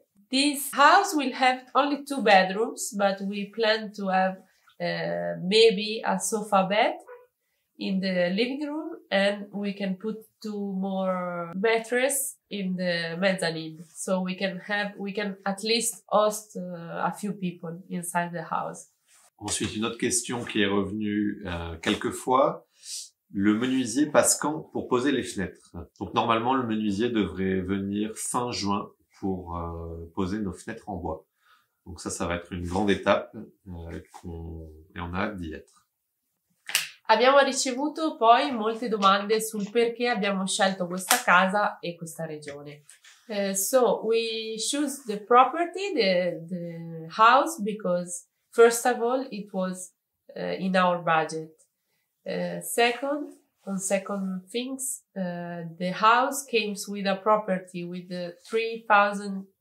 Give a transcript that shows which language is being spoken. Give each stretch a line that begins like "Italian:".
English: This house will have only two bedrooms, but we plan to have maybe a sofa bed in the living room, and we can put two more mattresses in the mezzanine. So we can at least host a few people inside the house.
French: Ensuite, une autre question qui est revenue quelques fois. Le menuisier passe quand pour poser les fenêtres? Donc normalement, le menuisier devrait venir fin juin pour poser nos fenêtres en bois. Donc ça va être une grande étape et on a hâte d'y être.
Italian: Abbiamo ricevuto poi molte domande sul perché abbiamo scelto questa casa e questa regione.
English: So we choose the property, the house, because first of all, it was in our budget. Second, the house came with a property with 3,000